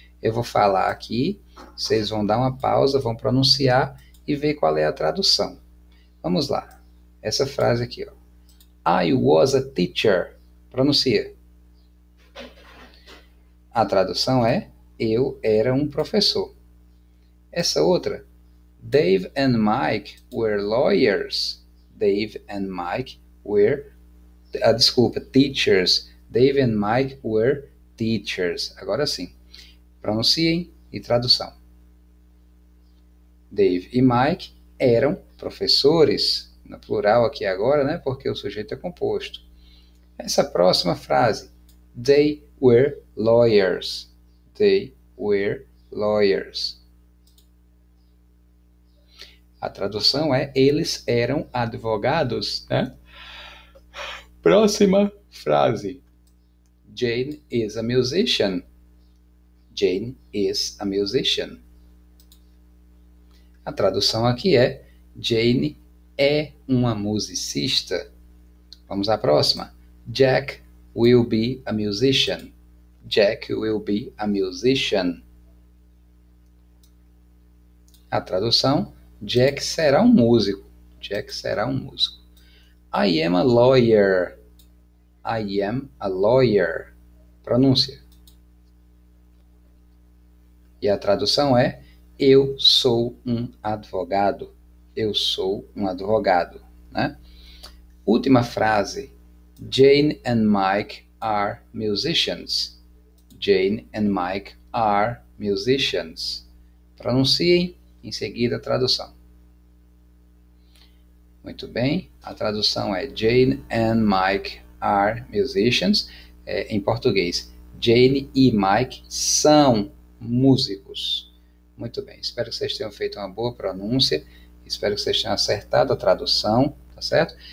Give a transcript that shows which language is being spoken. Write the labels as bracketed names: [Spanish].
[Portuguese] Eu vou falar aqui, vocês vão dar uma pausa, vão pronunciar e ver qual é a tradução. Vamos lá. Essa frase aqui, ó. [English] I was a teacher. [Portuguese] Pronuncia. A tradução é eu era um professor. Essa outra, [English] Dave and Mike were lawyers. Dave and Mike were, desculpa, teachers. Dave and Mike were teachers. [Portuguese] Agora sim, pronunciem e tradução. Dave e Mike eram professores, no plural aqui agora, né? Porque o sujeito é composto. Essa próxima frase, [English] they were lawyers. They were lawyers. [Portuguese] A tradução é eles eram advogados, né? Próxima frase. [English] Jane is a musician. Jane is a musician. [Portuguese] A tradução aqui é Jane é uma musicista. Vamos à próxima. [English] Jack will be a musician. Jack will be a musician. [Portuguese] A tradução. Jack será um músico. Jack será um músico. [English] I am a lawyer. I am a lawyer. Pronúncia. [Portuguese] E a tradução é: eu sou um advogado. Eu sou um advogado, né? Última frase. [English] Jane and Mike are musicians. Jane and Mike are musicians. [Portuguese] Pronunciem em seguida a tradução. Muito bem, a tradução é [English] Jane and Mike are musicians. [Portuguese] Em português, Jane e Mike são músicos. Muito bem, espero que vocês tenham feito uma boa pronúncia. Espero que vocês tenham acertado a tradução, tá certo?